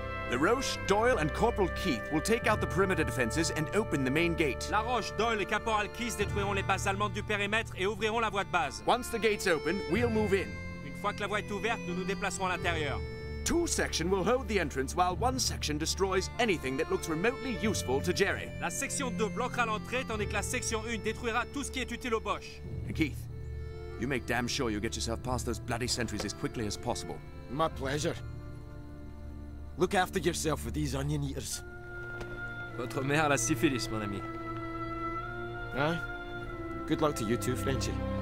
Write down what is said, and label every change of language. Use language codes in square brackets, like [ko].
[en] La Roche, Doyle, and Corporal Keith will take out the perimeter defenses and open the main gate. [fr] La Roche, Doyle, et Caporal Keith détruiront les bases allemandes du périmètre et ouvriront la voie de base. [en] Once the gate's open, we'll move in. [fr] Une fois que la voie est ouverte, nous nous déplacerons à l'intérieur. [en] Two section will hold the entrance while one section destroys anything that looks remotely useful to Jerry. [fr] La section 2 bloquera l'entrée tandis que la section 1 détruira tout ce qui est utile aux Boches. [en] And Keith, you make damn sure you get yourself past those bloody sentries as quickly as possible. My pleasure. Look after yourself with these onion eaters. [fr] Votre mère a la syphilis, mon ami. [en] Huh? Good luck to you too, Frenchie.